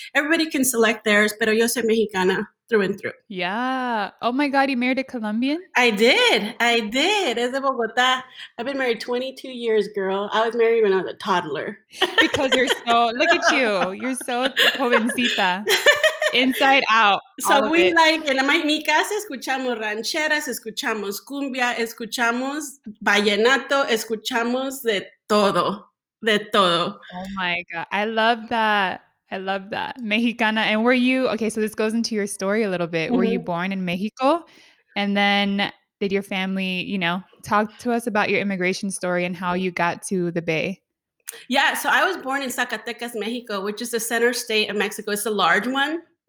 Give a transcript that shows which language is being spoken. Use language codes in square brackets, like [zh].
[en] Everybody can select theirs, [es] pero yo soy Mexicana [en] through and through. Yeah. Oh my God, you married a Colombian? I did. [es] Es de Bogota. [en] I've been married 22 years, girl. I was married when I was a toddler. Because you're so, look at you. You're so jovencita. Inside out. So we like, [es] en mi casa escuchamos rancheras, escuchamos cumbia, escuchamos vallenato, escuchamos de todo. De todo. [en] Oh my God. I love that. Mexicana. And were you, okay, so this goes into your story a little bit. Mm-hmm. Were you born in Mexico? And then did your family, you know, talk to us about your immigration story and how you got to the Bay? Yeah, so I was born in Zacatecas, Mexico, which is the center state of Mexico. It's a large one.